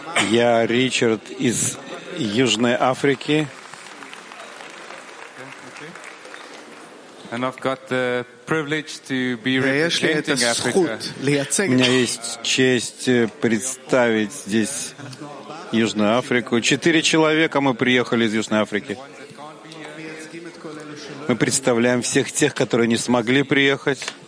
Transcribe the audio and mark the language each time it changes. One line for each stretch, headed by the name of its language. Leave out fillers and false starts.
Russian: Я Ричард из Южной Африки.
English: And I've got the privilege to be representing Africa.
Russian: У меня есть честь представить здесь Южную Африку. Четыре человека мы приехали из Южной Африки. Мы представляем всех тех, которые не смогли приехать.